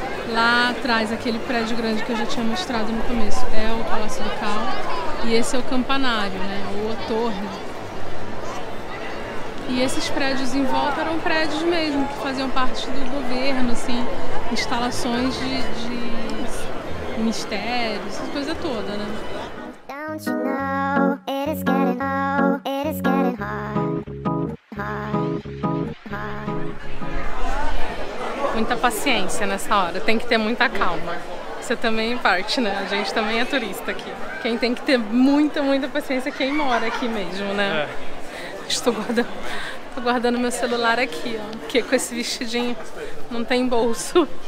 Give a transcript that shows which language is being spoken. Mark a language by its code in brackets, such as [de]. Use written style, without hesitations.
[pt] Lá atrás, aquele prédio grande que eu já tinha mostrado no começo, é o Palácio Ducal. E esse é o campanário, né? Ou a torre. E esses prédios em volta eram prédios mesmo, que faziam parte do governo, assim. Instalações de mistérios, essa coisa toda, né? [en] Don't you know, it is getting old, it is getting hard. [pt] Muita paciência nessa hora, tem que ter muita calma. Você também parte, né? A gente também é turista aqui. Quem tem que ter muita, muita paciência é quem mora aqui mesmo, né? É. Estou guardando meu celular aqui, ó. Porque com esse vestidinho não tem bolso.